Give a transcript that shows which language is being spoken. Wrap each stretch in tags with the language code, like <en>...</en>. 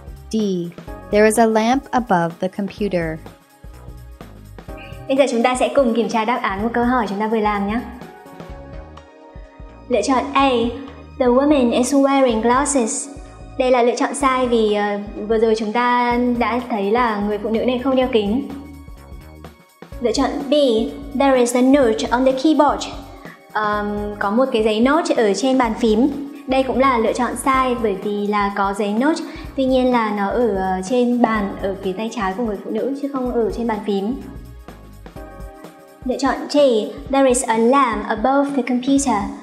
<en>D. There is a lamp above the computer.</en> <vi>Bây giờ chúng ta sẽ cùng kiểm tra đáp án của câu hỏi chúng ta vừa làm nhé. Lựa chọn A,</vi> <en>the woman is wearing glasses.</en> <vi>Đây là lựa chọn sai vì vừa rồi chúng ta đã thấy là người phụ nữ này không đeo kính. Lựa chọn B,</vi> <en>there is a note on the keyboard.</en> <vi>Có một cái giấy note ở trên bàn phím. Đây cũng là lựa chọn sai bởi vì là có giấy note, tuy nhiên là nó ở trên bàn ở phía tay trái của người phụ nữ chứ không ở trên bàn phím. Lựa chọn C,</vi> <en>there is a lamp above the computer.</en>